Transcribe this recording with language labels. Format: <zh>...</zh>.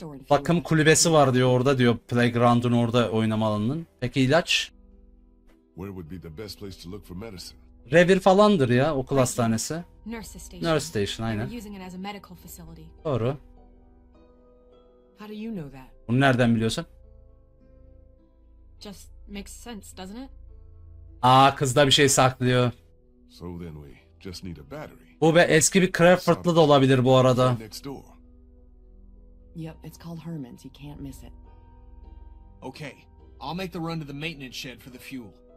<tr>Bakım kulübesi var diyor orada, diyor playground'un orada, oynama alanının. Peki ilaç?</tr> <en>Where would be the best place to look for medicine?</en> <tr>Revir falandır ya, okul hastanesi.</tr> <en>Nurse station. Nurse station,</en> <tr>aynen.</tr> <en>They're using it as a medical facility.</en> <tr>Doğru.</tr> <en>How do you know that?</en> <tr>Bunu nereden biliyorsun?</tr> <en>Just makes sense, doesn't it?</en> <tr>Aa, kızda bir şey saklıyor.</tr> <en>So then we just need a battery.</en> <tr>Bu be eski bir Crawford'lı da olabilir bu arada.</tr> <en>Yep, it's called Herman's. You can't miss it. Okay, I'll make the run to the maintenance shed for the fuel.</en>